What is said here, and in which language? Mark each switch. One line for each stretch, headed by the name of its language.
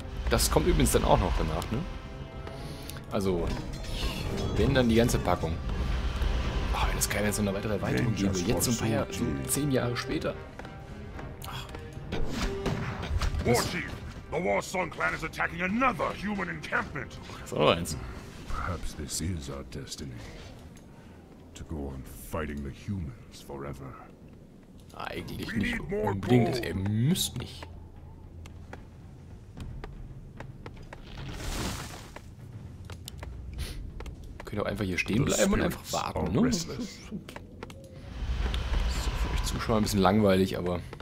German: Das kommt übrigens dann auch noch danach, ne? Also, ich bin dann die ganze Packung. Das kann jetzt so eine weitere Erweiterung geben. Jetzt so ein paar Jahre, so 10 Jahre später.
English: Warchief, the War Song Clan is attacking another human encampment.
German: So eins.
English: Perhaps this is our destiny. To go on fighting the humans forever.
German: Eigentlich nicht unbedingt. Er müsst nicht. Könnt ihr auch einfach hier stehen bleiben und einfach warten, ne? Das ist für euch Zuschauer ein bisschen langweilig, aber...